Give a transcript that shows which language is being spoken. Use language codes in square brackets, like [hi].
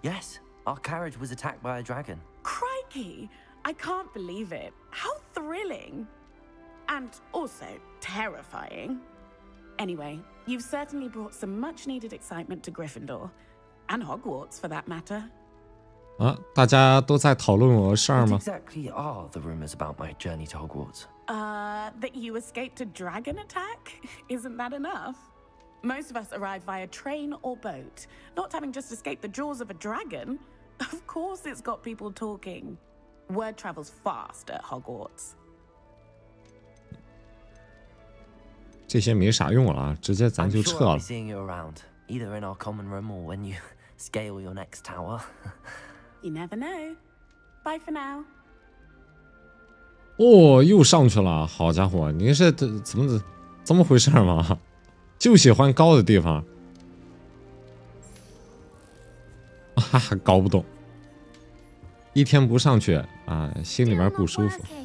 [en] Yes, our carriage was attacked by a dragon. Crikey, I can't believe it. How thrilling! And also terrifying. Anyway, you've certainly brought some much-needed excitement to Gryffindor, and Hogwarts for that matter. [zh] 啊，大家都在讨论我的事儿吗 [en] ？What exactly are the rumors about my journey to Hogwarts? That you escaped a dragon attack. Isn't that enough? Most of us arrive via train or boat. Not having just escaped the jaws of a dragon. Of course, it's got people talking. Word travels fast at Hogwarts. [zh] 这些没啥用了，直接咱就撤了。 [en] I'm sure I'll be seeing you around, either in our common room or when you scale your next tower. You never know. Bye for now. [zh] 哦，又上去了，好家伙，你是怎么回事吗？就喜欢高的地方。啊，搞不懂。一天不上去啊，心里面不舒服。